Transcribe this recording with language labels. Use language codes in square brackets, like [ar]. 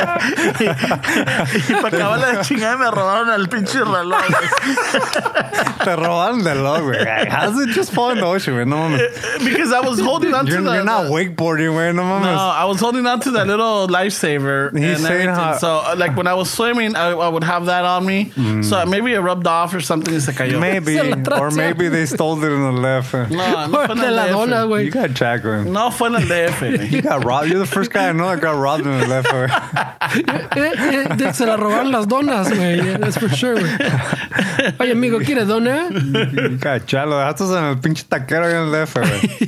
[es] Y para acabar la chingada me robaron el pinche reloj. Te robaron el reloj, güey. [en] How does it just fall in the ocean, güey? [es] No mames. [en] Because I was holding on to that. You're not wakeboarding, güey. [es] No mames. [en] No, I was holding on to that little lifesaver. He's saying everything. So, like, when I was swimming, I would have that on me. Mm. So maybe it rubbed off or something. It's like, maybe. Or maybe they stole it in the left. [es] No, fue de la dona, güey. [en] You got jacked, man. [es] No, fue en el DF. [en] You got robbed. You're the first guy I know that got robbed in the left, güey. [es] Se la robaron las donas, güey. [en] That's for sure, [es] güey. Oye, amigo, ¿quiere dona? Cachalo, dejaste en el pinche taquero en el left, güey.